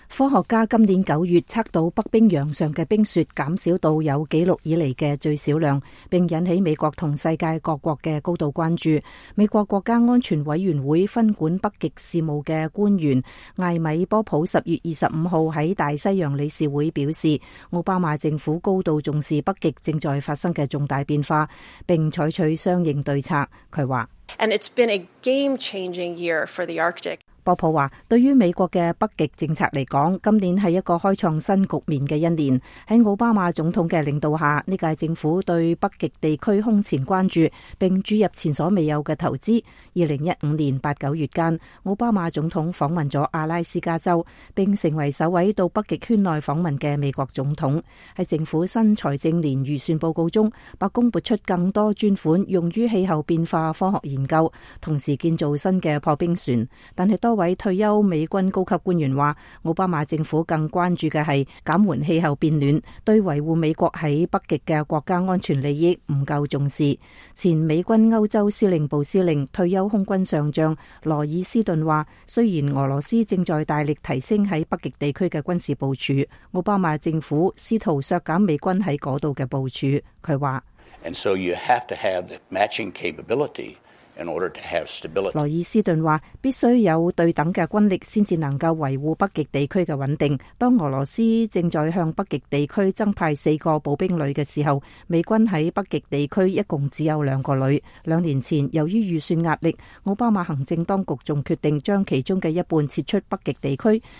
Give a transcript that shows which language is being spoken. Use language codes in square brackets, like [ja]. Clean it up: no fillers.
[zh] 科学家今年9月测到北冰洋上的冰雪减少到有纪录以来的最少量，并引起美国和世界各国的高度关注。美国国家安全委员会分管北极事务的官员艾米波普10月25号在大西洋理事会表示，奥巴马政府高度重视北极正在发生的重大变化，并采取相应对策。他说 [en] And it's been a game-changing year for the Arctic. [zh] 波普说，对于美国的北极政策来讲，今年是一个开创新局面的一年。在奥巴马总统的领导下，这届政府对北极地区空前关注，并注入前所未有的投资。 2015年8、9月间，奥巴马总统访问了阿拉斯加州，并成为首位到北极圈内访问的美国总统。在政府新财政年预算报告中，白宫拨出更多专款用于气候变化科学研究，同时建造新的破冰船。但是多位退休美军高级官员说，奥巴马政府更关注的是减缓气候变暖，对维护美国在北极的国家安全利益不够重视。前美军欧洲司令部司令、退休空军上将罗尔斯顿说，虽然俄罗斯正在大力提升在北极地区的军事部署，奥巴马政府试图削减美军在那里的部署。他说 [en] And so you have to have the matching capability. [zh] 罗尔斯顿说，必须有对等的军力才能够维护北极地区的稳定。当俄罗斯正在向北极地区增派四个步兵旅的时候，美军在北极地区一共只有两个旅。两年前由于预算压力，奥巴马行政当局还决定将其中的一半撤出北极地区。